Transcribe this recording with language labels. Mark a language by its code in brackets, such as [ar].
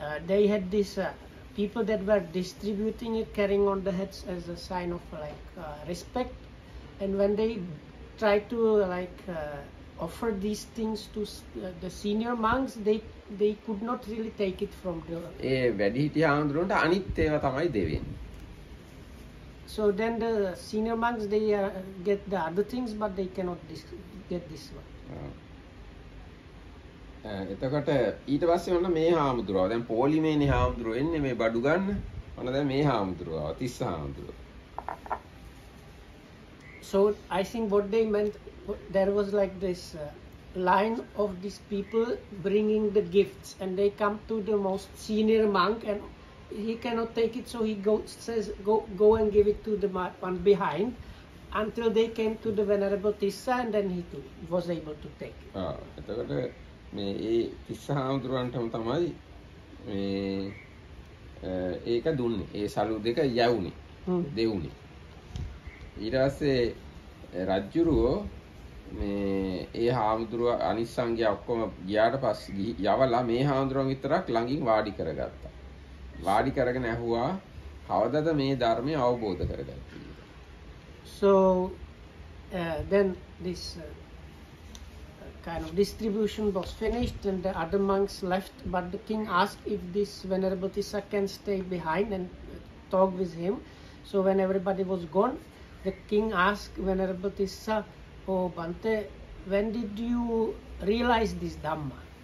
[en] they had this people that were distributing it carrying on the heads as a sign of like respect and when they try to like offer these things to the senior monks they could not really take it from the [si] ඒ වැඩිහිටියා ආන්දරුන්ට අනිත් ඒවා තමයි දෙවෙන්නේ. [en] So then the senior monks they get the other things but they cannot get this one. [si] එතකොට ඊට පස්සේ ඔන්න මේ හාමුදුරුවා දැන් පෝලිමේනි හාමුදුරුව එන්නේ මේ බඩු ගන්න ඔන්න දැන් මේ හාමුදුරුවා Tissa හාමුදුරුවා. [en] So I think what they meant there was like this line of these people bringing the gifts and they come to the most senior monk and he cannot take it so he says go and give it to the one behind until they came to the Venerable Tissa, and then he too was able to take it. [si] Ah, එතකොට මේ ඒ තිස්සහාමුදුරන්ටම තමයි මේ ඒක දුන්නේ. ඒ සලු දෙක යැවුනේ. දෙවුනේ. ඊට පස්සේ රජ්ජුරුව මේ ඒ හාමුදුරුව අනිස්සංගය ඔක්කොම ගියාට පස්සේ යවලා මේ හාමුදුරුවන් විතරක් ළඟින් වාඩි කරගත්තා. වාඩි කරගෙන ඇහුවා කවදද මේ ධර්මය අවබෝධ කරගන්නේ කියලා. [en] So then this kind of distribution was finished and the other monks left, but the king asked if this Venerable Tissa can stay behind and talk with him. So when everybody was gone, the king asked Venerable Tissa, "Oh Bhante, when did you realize this Dhamma?"